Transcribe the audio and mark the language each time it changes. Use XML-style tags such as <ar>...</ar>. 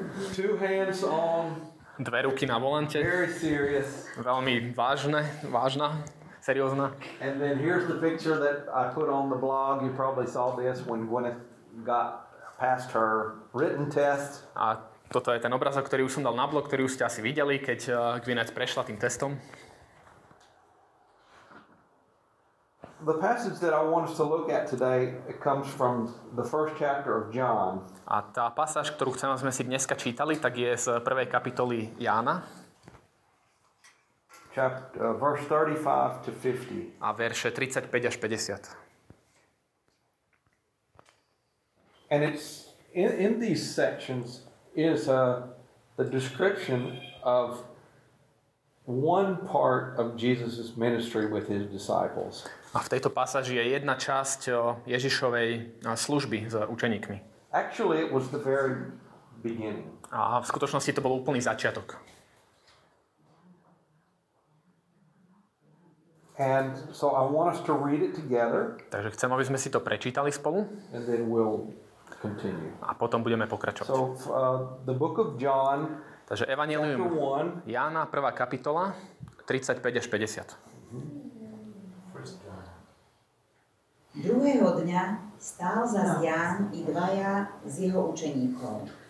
<en>Two hands on.</en> <sk>Dve ruky na volante.</sk> <en>Very serious.</en> <sk>Veľmi vážne, vážna. Seriózna.</sk> <en>And then here's the picture that I put on the blog. You probably saw this when Gwyneth got past her written test.</en> <sk>A toto je ten obrázok, ktorý už som dal na blog, ktorý už ste asi videli, keď Gwyneth prešla tým testom.</sk> <en>The passage that I want us to look at today comes from the first chapter of John.</en> <sk>A tá pasáž, ktorú chceme sme si dneska čítali, tak je z prvej kapitoly Jána.</sk> <en>Verse 35 to 50.</en> <sk>A verše 35 až 50.</sk> <en>And it's in these sections is the description of one part of Jesus's ministry with his disciples.</en> <sk>A v tejto pasáži je jedna časť Ježišovej služby s učeníkmi.</sk> <en>Actually, it was the very beginning.</en> <sk>A v skutočnosti to bol úplný začiatok.</sk> <en>And so I want us to read it together.</en> <sk>Takže chcem, aby sme si to prečítali spolu.</sk> <en>And then we'll continue.</en> <sk>A potom budeme pokračovať.</sk> <en>So the book of John.</en> <sk>Takže Evanjelium Jána, prvá kapitola, 35 až 50. Druhého dňa stál zas Ján i dvaja z jeho učeníkov.</sk>